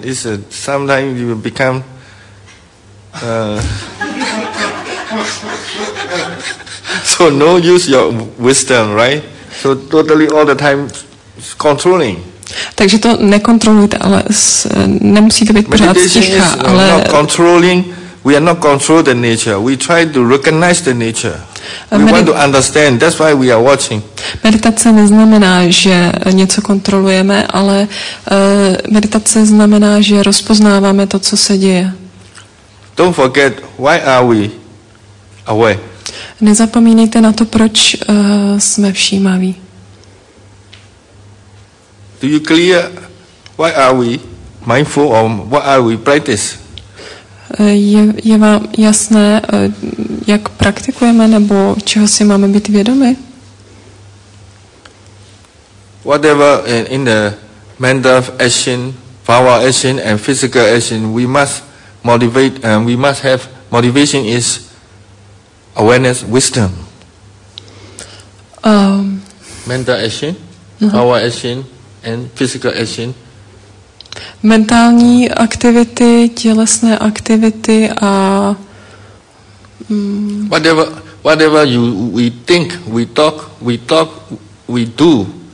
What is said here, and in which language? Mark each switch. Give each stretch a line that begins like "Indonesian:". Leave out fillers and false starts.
English: It's sometimes you become. So no use your wisdom, right? So totally all the time controlling.
Czech: Takže to nekontrolujte, ale nemusíte být pořád ticha, ale
English: not controlling, we are not control the nature. We try to recognize the nature. We want to understand. That's why we are watching.
Czech: Meditace neznamená, že něco kontrolujeme, ale meditace znamená, že rozpoznáváme to, co se děje.
English: Don't forget why are we aware?
Czech: Nezapomínejte na to, proč jsme všímaví.
English: Do you clear why are we mindful or what are we practice?
Czech: Je vám jasné, jak praktikujeme nebo čeho si máme být vědomi?
English: Whatever in the mental action, power action and physical action, we must motivate and we must have motivation is awareness, wisdom. Mental action, power action, and physical action.
Czech: Mentální aktivity, tělesné aktivity a
English: whatever you we think, we talk, we do.